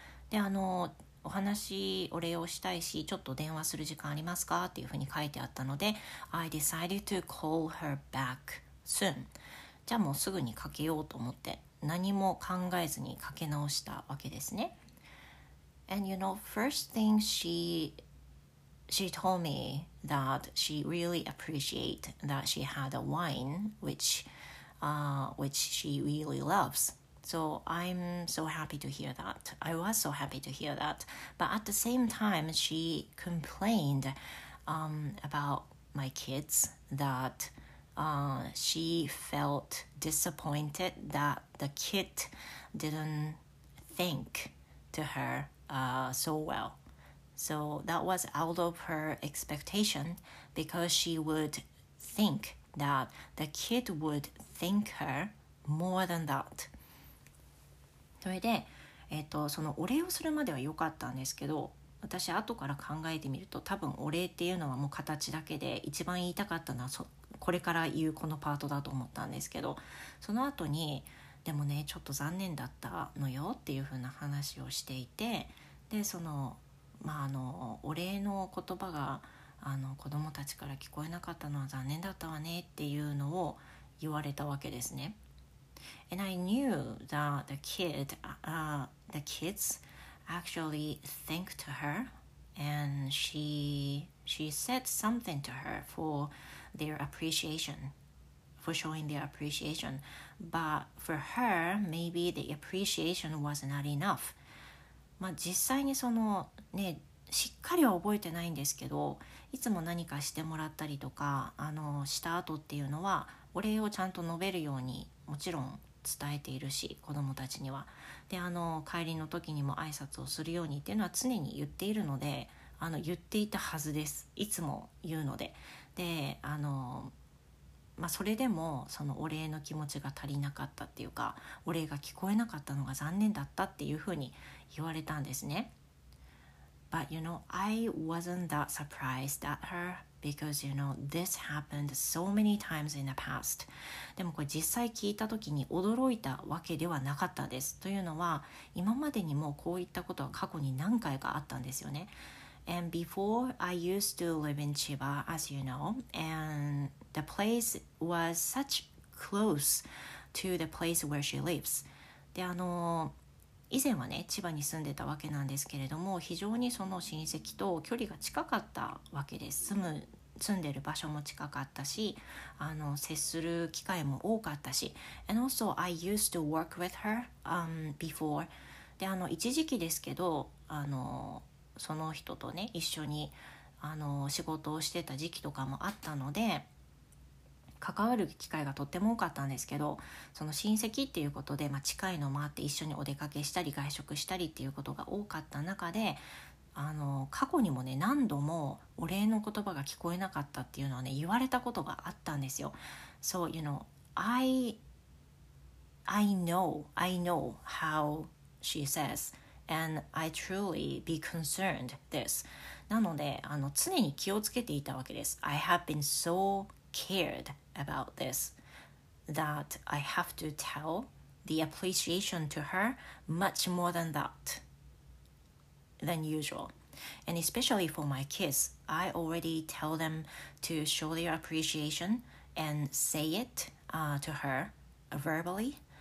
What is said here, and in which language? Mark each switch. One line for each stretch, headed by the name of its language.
Japanese: で、お話お礼をしたいし、ちょっと電話する時間ありますかっていうふうに書いてあったので、
English: I decided to call her back soon.
Japanese: じゃあもうすぐにかけようと思って、何も考えずにかけ直したわけですね。
English: And you know, first thing she told me that she really appreciate that she had a wine which she really loves. So I'm so happy to hear that. I was so happy to hear that. But at the same time, she complained about my kids that she felt disappointed that the kid didn't think to her so well. So that was out of her expectation because she would think that the kid would think her more than that.
Japanese: それで、そのお礼をするまでは良かったんですけど、私後から考えてみると多分お礼っていうのはもう形だけで、一番言いたかったのはこれから言うこのパートだと思ったんですけど、その後にでもねちょっと残念だったのよっていう風な話をしていて、でそのまあお礼の言葉が子供たちから聞こえなかったのは残念だったわねっていうのを言われたわけですね。
English: And I knew that the kids actually thanked her, and she said something to her for their appreciation, for showing their appreciation. But for her, maybe the appreciation was not enough.
Japanese: まあ実際にそのね、しっかりは覚えてないんですけど、いつも何かしてもらったりとかした後っていうのは、お礼をちゃんと述べるようにもちろん伝えているし、子どもたちにはで帰りの時にも挨拶をするようにっていうのは常に言っているので、言っていたはずです、いつも言うので。でまあそれでもそのお礼の気持ちが足りなかったっていうか、お礼が聞こえなかったのが残念だったっていうふうに言われたんですね。
English: But you know, I wasn't that surprised at herBecause you know, this happened so many times in the past.
Japanese: でもこれ実際聞いた時に驚いたわけではなかったです。というのは、今までにもこういったことは過去に何回かあったんですよね。
English: And before I used to live in Chiba, as you know, and the place was such close to the place where she lives.
Japanese: で以前はね、千葉に住んでたわけなんですけれども、非常にその親戚と距離が近かったわけです。住んでる場所も近かったし、接する機会も多かったし。
English: And also, I used to work with her, before.
Japanese: で、一時期ですけど、その人とね、一緒に仕事をしてた時期とかもあったので、関わる機会がとっても多かったんですけど、その親戚っていうことで、まあ、近いのもあって一緒にお出かけしたり外食したりっていうことが多かった中で、過去にもね何度もお礼の言葉が聞こえなかったっていうのはね言われたことがあったんですよ。
English: So you know, I know how she says, and I truly be concerned this.
Japanese: なので常に気をつけていたわけです。
English: I have been so caredabout this, that I have to tell the appreciation to her much more than that, than usual. And especially for my kids, I already tell them to show their appreciation and say it, to her verbally.